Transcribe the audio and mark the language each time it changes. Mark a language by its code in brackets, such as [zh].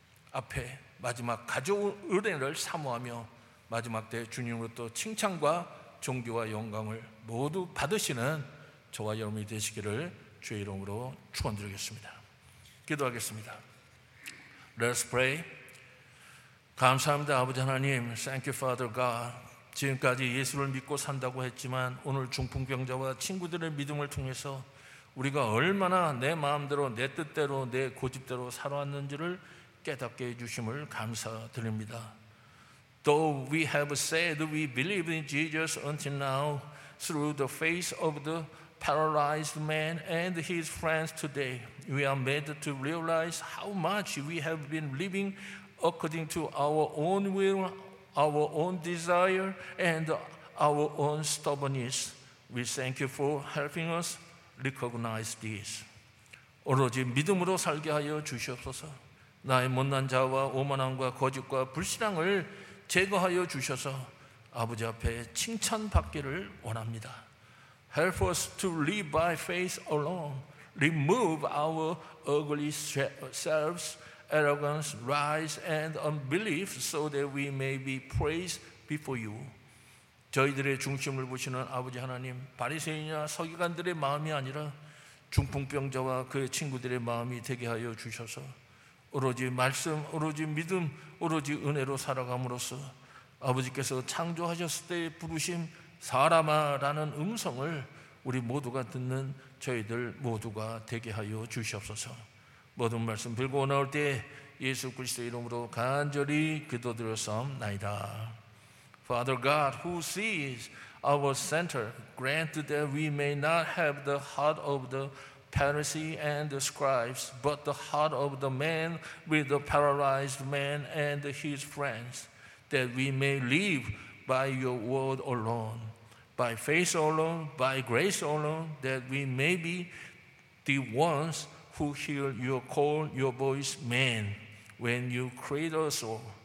[ko] 앞에 마지막 가져온 은혜를 사모하며 마지막 때 주님으로부터 칭찬과 존귀와 영광을 모두 받으시는 저와 여러분이 되시기를 주의 이름으로 축원드리겠습니다. 기도하겠습니다. [en] Let's pray. [ko] 감사합니다. 아버지 하나님, [en] Thank you Father God. [ko] 지금까지 예수를 믿고 산다고 했지만 오늘 중풍병자와 친구들의 믿음을 통해서 우리가 얼마나 내 마음대로, 내 뜻대로, 내 고집대로 살아왔는지를 깨닫게 해주심을 감사드립니다. [en] Though we have said we believe in Jesus until now through the face of the paralyzed man and his friends today, we are made to realize how much we have been living according to our own will, our own desire, and our own stubbornness. We thank you for helping us recognize this. [ko] 오로지 믿음으로 살게 하여 주시옵소서. 나의 못난 자와 오만함과 거짓과 불신앙을 제거하여 주셔서 아버지 앞에 칭찬받기를 원합니다. [en] Help us to live by faith alone. Remove our ugly selves, arrogance, lies, and unbelief so that we may be praised before you. [ko] 저희들의 중심을 보시는 아버지 하나님, 바리새인이나 서기관들의 마음이 아니라 중풍병자와 그의 친구들의 마음이 되게 하여 주셔서 오로지 말씀, 오로지 믿음, 오로지 은혜로 살아감으로써 아버지께서 창조하셨을 때 부르심 사람아라는 음성을 우리 모두가 듣는 저희들 모두가 되게 하여 주시옵소서. 모든 말씀 들고 나올 때 예수 그리스도의 이름으로 간절히 기도드렸사옵나이다. [en] Father God, who sees our center, grant that we may not have the heart of the Pharisee and the scribes, but the heart of the man with the paralyzed man and his friends, that we may live by your word alone, by faith alone, by grace alone, that we may be the ones who hear your call, your voice, man, when you create us all.